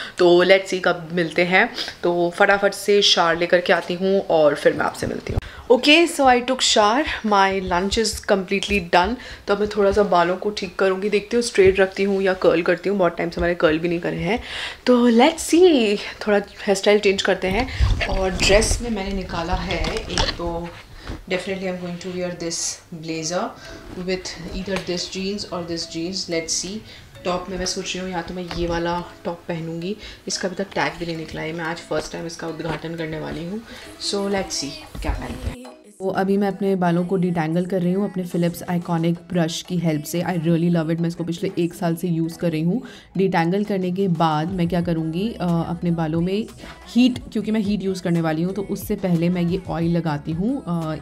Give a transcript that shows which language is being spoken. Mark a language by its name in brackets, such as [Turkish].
[Hindi] तो [English] let's see [Hindi] कब मिलते हैं। तो फटाफट से शॉर लेकर के आती हूँ और फिर मैं आपसे मिलती हूँ। [English] Okay, so I took shower, my lunch is completely done. [Hindi] तो अब मैं थोड़ा सा बालों को ठीक करूँगी, देखती हूँ स्ट्रेट रखती हूँ या कर्ल करती हूँ। बहुत टाइम से हमारे कर्ल भी नहीं करे हैं, तो [English] Let's see. [Hindi] थोड़ा हेयर स्टाइल चेंज करते हैं और ड्रेस में मैंने निकाला है एक, तो [English] definitely I'm going to wear this blazer with either this jeans or this jeans, let's see। [Hindi] Top में मैं सोच रही हूँ या तो मैं ये वाला टॉप पहनूंगी, इसका अभी तक टैग भी नहीं निकला है, मैं आज फर्स्ट टाइम इसका उद्घाटन करने वाली हूँ। [English] so let's see [Hindi] क्या पहनते हैं। वो अभी मैं अपने बालों को डिटैंगल कर रही हूँ अपने फिलिप्स आइकॉनिक ब्रश की हेल्प से। [English] I really love it, [Hindi] मैं इसको पिछले एक साल से यूज़ कर रही हूँ। डिटैंगल करने के बाद मैं क्या करूँगी, अपने बालों में हीट, क्योंकि मैं हीट यूज़ करने वाली हूँ, तो उससे पहले मैं ये ऑयल लगाती हूँ।